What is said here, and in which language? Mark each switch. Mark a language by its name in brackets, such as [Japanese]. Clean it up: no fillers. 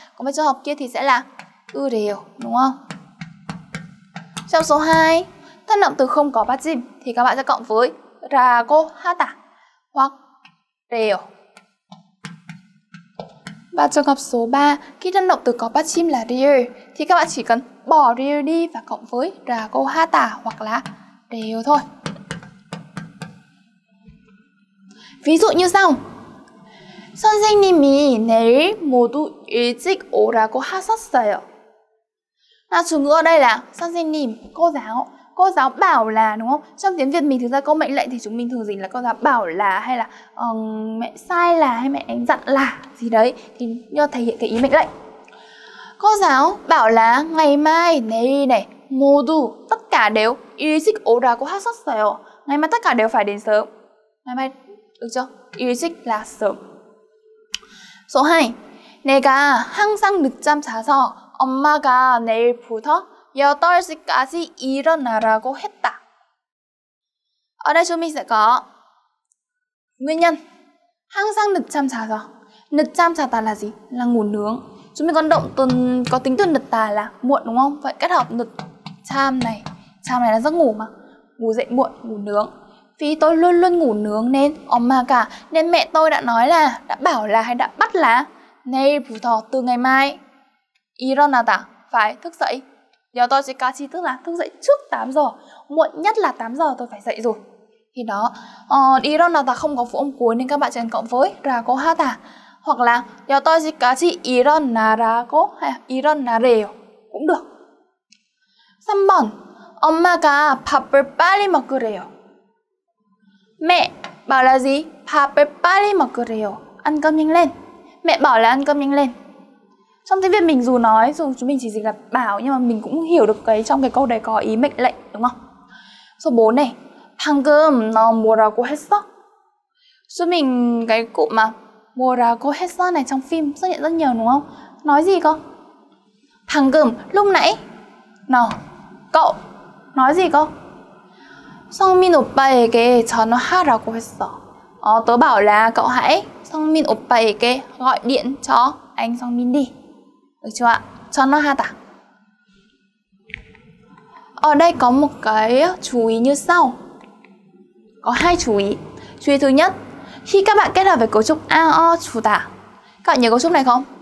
[Vietnamese] Còn với trường hợp kia thì sẽ là 으래요, đúng không? Trong số 2, thân động từ không có bắt chìm thì các bạn sẽ cộng với 라고 하다 hoặc 래요. Và trường hợp số 3, khi thân động từ có bắt chìm là 리 thì các bạn chỉ cần bỏ 리 đi và cộng với 라고 하다 hoặc là 래요 thôi. Ví dụ như sau. [Korean] 선생님이 내일 모두 일찍 오라고 하셨어요. [Vietnamese] Là chủ ngữ ở đây là 선생님, cô giáo. Cô giáo bảo là, đúng không? Trong tiếng Việt mình thực ra câu mệnh lệnh thì chúng mình thường dịch là cô giáo bảo là, hay là mẹ sai là, hay mẹ anh dặn là gì đấy, thì nó thể hiện cái ý mệnh lệnh. Cô giáo bảo là ngày mai này này, 모두 tất cả đều [Korean] 일찍 오라고 하셨어요. [Vietnamese] Ngày mai tất cả đều phải đến sớm. Ngày mai được chưa? 일찍 là sớm. Số 2. [Korean] 내가 항상 늦잠 자서 엄마가 내일부터 8시까지 일어나라고 했다. [Vietnamese] Ở đây chúng mình sẽ có nguyên nhân. [Korean] 항상 늦잠 자서. [Vietnamese] 늦잠 자다 là gì? Là ngủ nướng. Chúng mình còn động từ, có tính từ 늦다 là muộn, đúng không? Vậy kết hợp 늦잠 này. 잠 này là giấc ngủ mà. Ngủ dậy muộn, ngủ nướng. Vì tôi luôn luôn ngủ nướng nên 엄마가, nên mẹ tôi đã nói là, đã bảo là, hay đã bắt là [Korean] 내일부터, [Vietnamese] từ ngày mai 일어나다, phải thức dậy. 8시까지, tức là thức dậy trước 8 giờ. Muộn nhất là 8 giờ tôi phải dậy rồi. Thì đó, 일어나다 không có phụ âm cuối nên các bạn chỉ cần cộng với 라고 하다. Hoặc là 8시까지 일어나라고, hay 일어나래요 cũng được. [Korean] 3번, 엄마가 밥을 빨리 먹으래요. [Vietnamese] Mẹ bảo là gì? [Korean] 밥을 빨리 먹으래요. [Vietnamese] Ăn cơm nhanh lên. Mẹ bảo là ăn cơm nhanh lên. Trong tiếng Việt mình dù nói, dù chúng mình chỉ dịch là bảo, nhưng mà mình cũng hiểu được cái trong cái câu đấy có ý mệnh lệnh, đúng không? Số 4 này. [Korean] 방금 너 뭐라고 했어? [Vietnamese] Chúng mình cái cụm mà [Korean] 뭐라고 했어 [Vietnamese] này trong phim xuất hiện rất nhiều, đúng không? Nói gì cơ? 방금 lúc nãy. Nào, cậu nói gì cơ? [Korean] 성민 오빠에게 전화하라고 했어. [Vietnamese] Ờ, tớ bảo là cậu hãy [Korean] 성민 오빠에게 [Vietnamese] gọi điện cho anh 성민 đi. Được chưa ạ? 전화하다. Ở đây có một cái chú ý như sau. Có hai chú ý. Chú ý thứ nhất, khi các bạn kết hợp với cấu trúc a o chủ tả, các bạn nhớ cấu trúc này không?